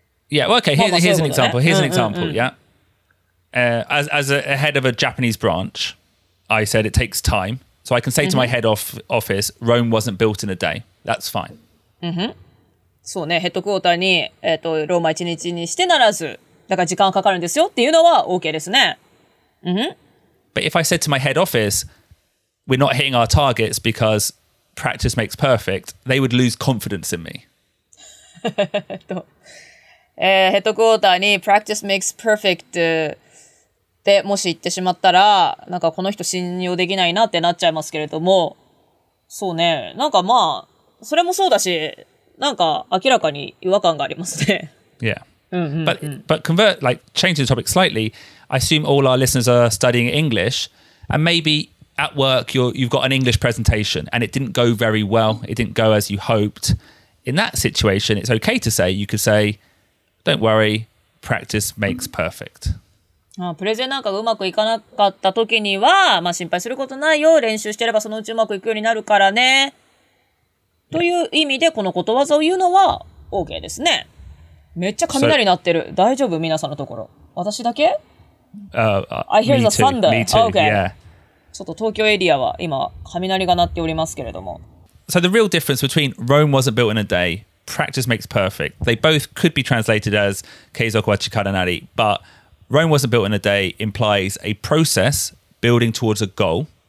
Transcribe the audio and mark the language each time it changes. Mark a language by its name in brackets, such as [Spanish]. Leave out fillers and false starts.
[English] Yeah, well, okay. Here's an example. Here's an example. Yeah. As a head of a Japanese branch, I said it takes time. So I can say to my head office, Rome wasn't built in a day. That's fine. Mm-hmm. [Japanese] そうね、ヘッドクォーターに、ローマ一日にしてならず、だから時間かかるんですよっていうのは OK ですね。うん。 [English] But if I said to my head office, we're not hitting our targets because practice makes perfect, they would lose confidence in me. [Japanese] ヘッドクォーターに [English] practice makes perfect [Japanese] ってもし言ってしまったら、なんかこの人信用できないなってなっちゃいますけれども、そうね、なんかまあ、それもそうだし、なんか明らかに違和感がありますね。 [English] Yeah. But convert, like, change the topic slightly. I assume all our listeners are studying English, and maybe at work you've got an English presentation and it didn't go very well. It didn't go as you hoped. In that situation, it's okay to say, you could say, don't worry, practice makes perfect. [Japanese] ああ、プレゼンなんかがうまくいかなかった時には、まあ心配することないよ。練習してればそのうちうまくいくようになるからね。という意味でこのことわざを言うのは OK ですね。めっちゃ雷鳴ってる。大丈夫皆さんのところ。私だけ [English] I hear the thunder. Me too. Okay. Yeah. [Japanese] ちょっと東京エリアは今雷が鳴っておりますけれども。 [English] So the real difference between Rome wasn't built in a day, practice makes perfect. They both could be translated as [Japanese] 継続は力なり [English] but Rome wasn't built in a day implies a process building towards a goal.